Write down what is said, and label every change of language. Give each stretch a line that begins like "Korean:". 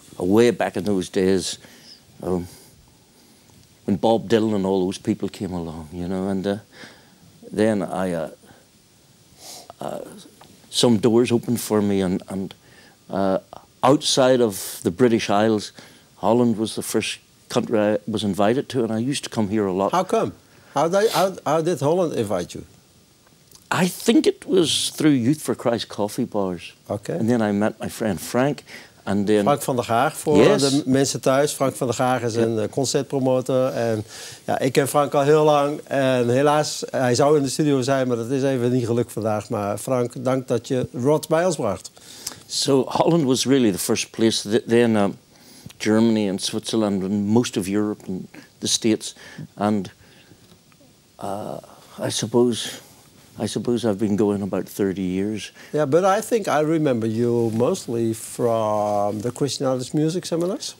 English: Way back in those days. When Bob Dylan and all those people came along, you know, and then I some doors opened for me, and outside of the British Isles, Holland was the first country I was invited to, and I used to come here a lot. How come? How did Holland invite you? I think it was through Youth for Christ coffee bars. Okay. And then I met my friend Frank. And then
Dutch: Frank van der Gaag voor de mensen thuis. Frank van der Gaag is een concertpromoter. En ja, ik ken Frank al heel lang. En helaas, hij zou in de studio zijn, maar dat is even niet gelukt vandaag. Maar Frank, dank dat je Rod bij ons bracht.
English: So Holland was really the first place. Then Germany and Switzerland and most of Europe and the States. And I suppose I've been going about 30 years. Yeah, but I think I remember you mostly from the Christian Artist Music Seminars.